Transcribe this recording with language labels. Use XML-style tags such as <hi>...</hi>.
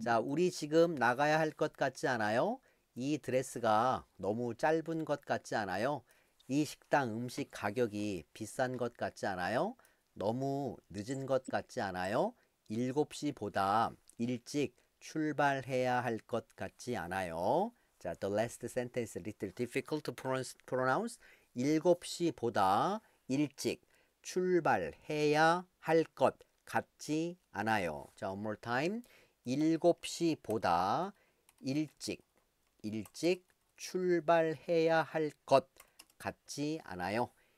<ko>자, 우리 지금 나가야 할것 같지 않아요? 이 드레스가 너무 짧은 것 같지 않아요? 이 식당 음식 가격이 비싼 것 같지 않아요? 너무 늦은 것 같지 않아요? 7시보다 일찍 출발해야 할것 같지 않아요?</ko> <en>자, the last sentence, a little difficult to pronounce.</en> <ko>7시보다 일찍 출발해야 할것 같지 않아요?</ko> <en>자, one more time.</en> <ko>7시보다 일찍 출발해야 할것 같지 않아요?</ko>